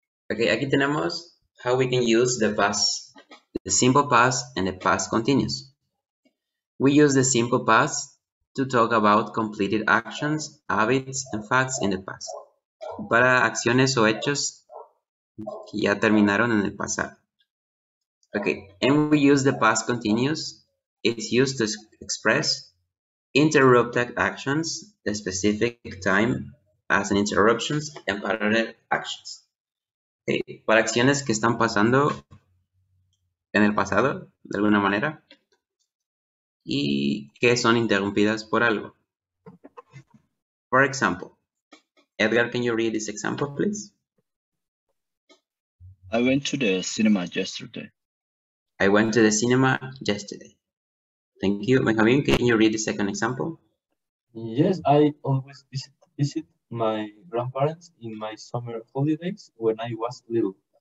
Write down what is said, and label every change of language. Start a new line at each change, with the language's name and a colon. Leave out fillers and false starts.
English: Okay,
Spanish: aquí tenemos
English: how we can use the past, the simple past and the past continuous. We use the simple past to talk about completed actions, habits and facts in the past.
Spanish: Para acciones o hechos que ya terminaron en el pasado.
English: Okay, and we use the past continuous. It's used to express interrupted actions, the specific time as an interruptions and parallel actions. Okay.
Spanish: Para acciones que están pasando en el pasado, de alguna manera, y que son interrumpidas por algo.
English: For example, Edgar, can you read this example, please? I went to the cinema yesterday. I went to the cinema yesterday. Thank you. Benjamin, can you read the second example? Yes, I always visit my grandparents in my summer holidays when I was little.